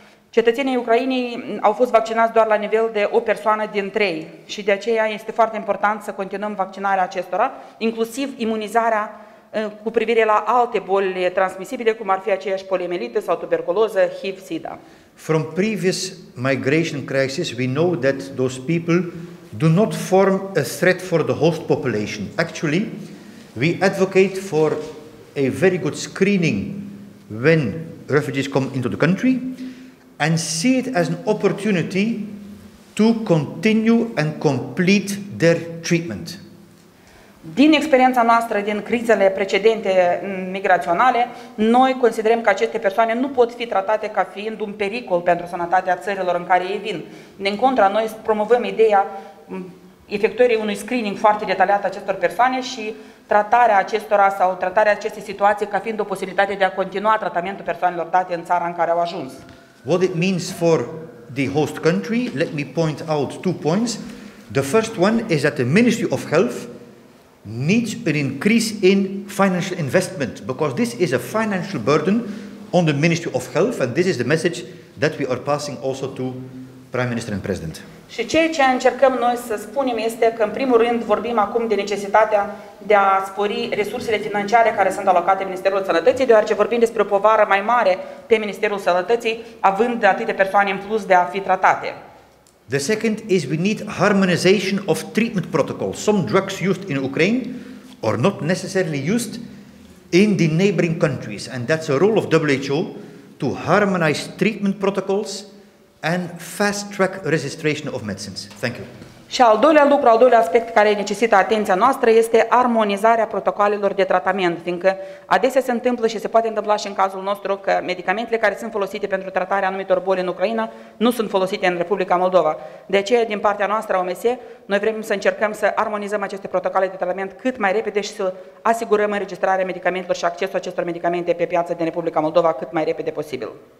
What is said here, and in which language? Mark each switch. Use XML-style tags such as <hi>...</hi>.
<ro>Cetățenii Ucrainei au fost vaccinați doar la nivel de o persoană din trei și de aceea este foarte important să continuăm vaccinarea acestora, inclusiv imunizarea cu privire la alte boli transmisibile, cum ar fi aceeași poliomielită sau tuberculoză, HIV, SIDA.</ro> <en>From previous migration crisis, we know that those people do not form a threat for the host population. Actually, we advocate for a very good screening when refugees come into the country and see it as an opportunity to continue and complete their treatment.</en> <ro>Din experiența noastră din crizele precedente migraționale, noi considerăm că aceste persoane nu pot fi tratate ca fiind un pericol pentru sănătatea țărilor în care ei vin. Din contra, noi promovăm ideea efectuării unui screening foarte detaliat acestor persoane și tratarea acestora sau tratarea acestei situații ca fiind o posibilitate de a continua tratamentul persoanelor date în țara în care au ajuns.</ro> <en>What it means for the host country, let me point out two points. The first one is that the Ministry of Health needs an increase in financial investment, because this is a financial burden on the Ministry of Health, and this is the message that we are passing also to Prime Minister and President.</en> <ro>Și ceea ce încercăm noi să spunem este că, în primul rând, vorbim acum de necesitatea de a spori resursele financiare care sunt alocate Ministerul Sănătății, deoarece vorbim despre o povară mai mare pe Ministerul Sănătății, având atâtea persoane în plus de a fi tratate.</ro> <en>The second is we need harmonization of treatment protocols. Some drugs used in Ukraine are not necessarily used in the neighboring countries, and that's a role of WHO to harmonize treatment protocols and fast-track registration of medicines. Thank you.</en> <ro>Și al doilea lucru, al doilea aspect care necesită atenția noastră este armonizarea protocolelor de tratament, fiindcă adesea se întâmplă și se poate întâmpla și în cazul nostru că medicamentele care sunt folosite pentru tratarea anumitor boli în Ucraina nu sunt folosite în Republica Moldova. De aceea, din partea noastră, OMS, noi vrem să încercăm să armonizăm aceste protocole de tratament cât mai repede și să asigurăm înregistrarea medicamentelor și accesul acestor medicamente pe piață din Republica Moldova cât mai repede posibil.</ro>